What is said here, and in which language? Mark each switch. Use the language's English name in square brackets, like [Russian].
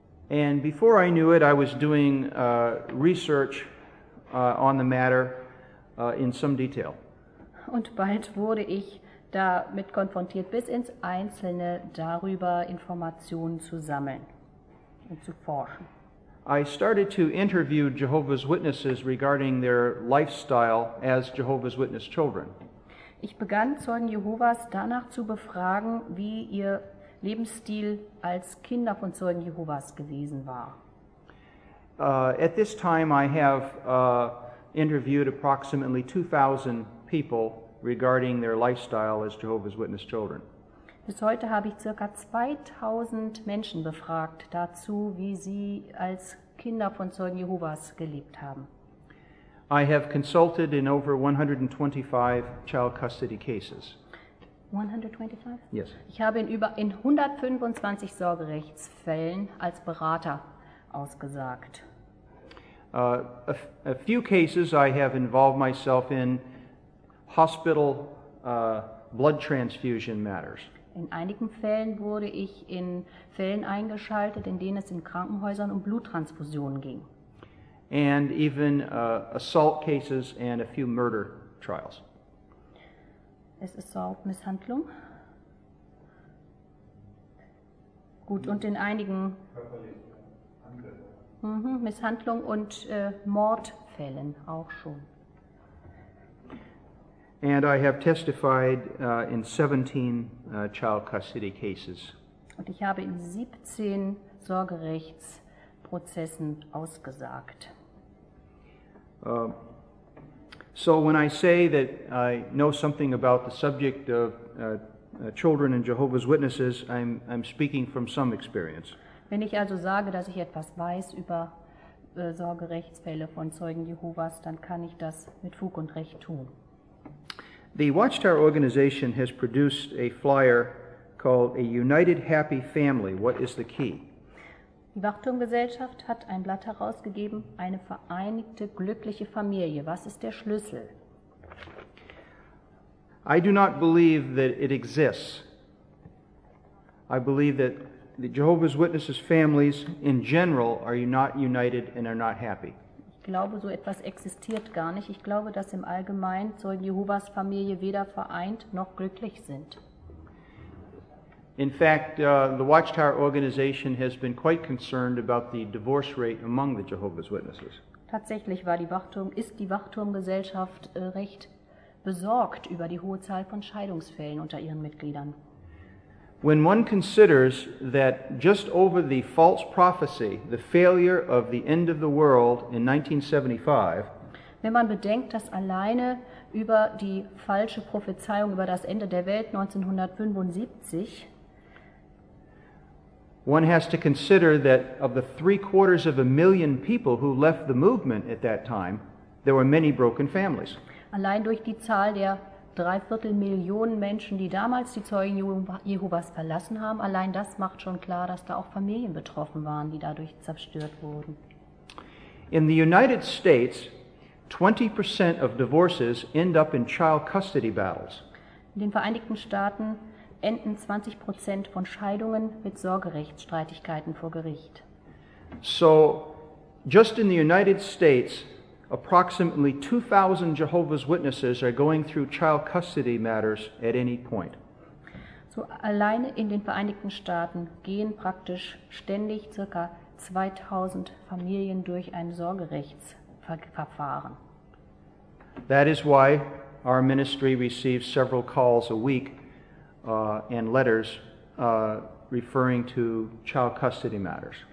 [English] And before I knew it, I was doing research on the matter in some detail. [German] Und bald wurde ich damit konfrontiert, bis ins Einzelne darüber Informationen zu sammeln und zu forschen. [English] I started to interview Jehovah's Witnesses regarding their lifestyle as Jehovah's Witness children. [German] Ich begann, Zeugen Jehovas danach zu befragen, wie ihr Lebensstil als Kinder von Zeugen Jehovas gewesen war. [English] At this time I have interviewed approximately 2,000 people regarding their lifestyle as Jehovah's Witness children. [German] Bis heute habe ich ca. 2,000 Menschen befragt dazu, wie sie als Kinder von Zeugen Jehovas gelebt haben. [English] I have consulted in over 125 child custody cases. 125? Yes. [German] Ich habe in 125 Sorgerechtsfällen als Berater ausgesagt. [English] A few cases I have involved myself in hospital blood transfusion matters. [German] In einigen Fällen wurde ich in Fällen eingeschaltet, in denen es in Krankenhäusern um Bluttransfusionen ging. [English] And even assault cases and a few murder trials. [German] Es ist Assault-Misshandlung. Gut, und in einigen Misshandlung und Mordfällen auch schon. [English] And I have testified in 17 child custody cases. [German] Und ich habe in 17 Sorgerechtsprozessen ausgesagt. [English] So when I say that I know something about the subject of children and Jehovah's Witnesses, I'm speaking from some experience. [German] Wenn ich also sage, dass ich etwas weiß über Sorgerechtsfälle von Zeugen Jehovas, dann kann ich das mit Fug und Recht tun. [English] The Watchtower organization has produced a flyer called A United Happy Family, What is the Key? [German] Die Wachturmgesellschaft hat ein Blatt herausgegeben, eine vereinigte, glückliche Familie. Was ist der Schlüssel? [English] I do not believe that it exists. I believe that the Jehovah's Witnesses families in general are not united and are not happy. [German] Ich glaube, so etwas existiert gar nicht. Ich glaube, dass im Allgemeinen Zeugen Jehovas Familie weder vereint noch glücklich sind. [English] In fact, the Watchtower organization has been quite concerned about the divorce rate among the Jehovah's Witnesses. [German] Tatsächlich war die Wachturm, ist die Wachturmgesellschaft recht besorgt über die hohe Zahl von Scheidungsfällen unter ihren Mitgliedern. [English] When one considers that just over the false prophecy, the failure of the end of the world in 1975, [German] wenn man bedenkt, dass alleine über die falsche Prophezeiung über das Ende der Welt 1975, [English] one has to consider that of the 750,000 people who left the movement at that time, there were many broken families. [German] Allein durch die Zahl der 750,000 Menschen, die damals die Zeugen Jehovas verlassen haben, allein das macht schon klar, dass da auch Familien betroffen waren, die dadurch zerstört wurden. [English] In the United States, 20% of divorces end up in child custody battles. [German] In den Vereinigten Staaten enden 20% von Scheidungen mit Sorgerechtsstreitigkeiten vor Gericht. [English] So, just in the United States, approximately 2,000 Jehovah's Witnesses are going through child custody matters at any point. [German] So, alleine in den Vereinigten Staaten gehen praktisch ständig ca. 2,000 Familien durch ein Sorgerechtsverfahren. [English] That is why our ministry receives several calls a week and letters referring to child custody matters.